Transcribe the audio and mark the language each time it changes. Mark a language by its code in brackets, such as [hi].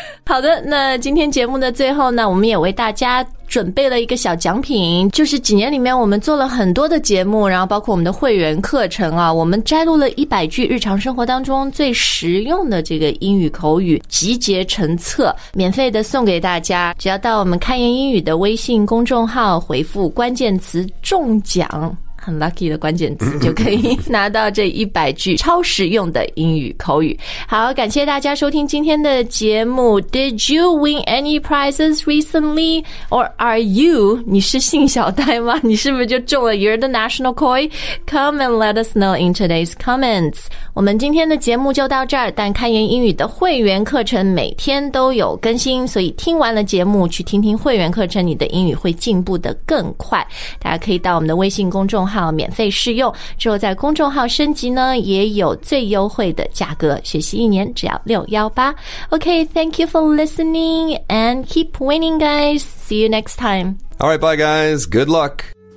[zh] 好的，那今天节目的最后呢，我们也为大家准备了一个小奖品，就是几年里面我们做了很多的节目，然后包括我们的会员课程啊，我们摘录了100句日常生活当中最实用的这个英语口语集结成册，免费的送给大家。只要到我们开言英语的微信公众号回复关键词"中奖"。很 lucky 的关键词就可以拿到这100句超实用的英语口语。好，感谢大家收听今天的节目。 [en] Did you win any prizes recently? Or are you, [zh] 你是幸小呆吗？你是不是就中了 [en] You're the National Koi? Come and let us know in today's comments. [zh] 我们今天的节目就到这儿，但开言英语的会员课程每天都有更新，所以听完了节目去听听会员课程，你的英语会进步得更快。大家可以到我们的微信公众号免费试用，之后在公众号升级呢也有最优惠的价格，学习一年只要618。 [en] OK, thank you for listening and keep winning guys. See you next time. Alright, bye guys, good luck.